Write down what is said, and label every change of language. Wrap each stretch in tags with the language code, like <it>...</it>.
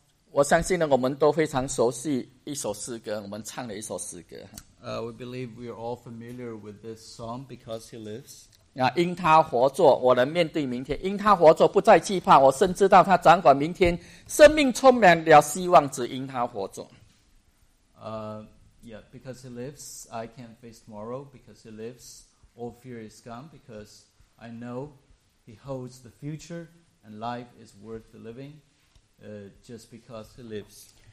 <zh>我相信呢，我们都非常熟悉一首诗歌，我们唱了一首诗歌。</zh> <en>We believe we are all familiar with this song because he lives.</en> <zh>因他活着，我能面对明天；因他活着，不再惧怕。我深知道他掌管明天，生命充满了希望，只因他活着。</zh> <en>Yeah, because he lives, I can face tomorrow. Because he lives. All fear is gone because I know he holds the future and life is worth the living just because he lives.</en>